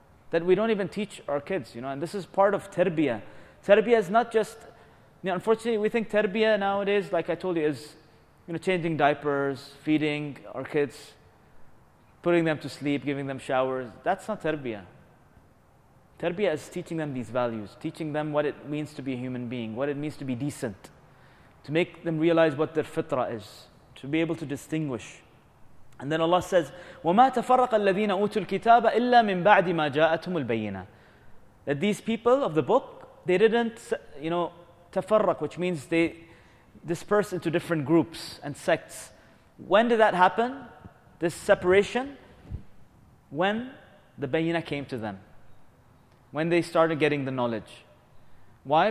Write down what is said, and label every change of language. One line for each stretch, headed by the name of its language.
English: that we don't even teach our kids, you know. And this is part of tarbiyah. Tarbiyah is not just, you know, unfortunately, we think tarbiyah nowadays, like I told you, is, you know, changing diapers, feeding our kids, putting them to sleep, giving them showers. That's not tarbiyah. Tarbiyah is teaching them these values, teaching them what it means to be a human being, what it means to be decent, to make them realize what their fitra is, to be able to distinguish. And then Allah says,
Arabic: وَمَا تَفَرَّقَ الَّذِينَ أُوتُوا الْكِتَابَ إِلَّا مِنْ بَعْدِ مَا جَاءَتْهُمُ الْبَيِّنَةِ.
English: That these people of the book, they didn't, you know, تَفَرَّق, which means they dispersed into different groups and sects. When did that happen? This separation? When the bayina came to them. When they started getting the knowledge. Why?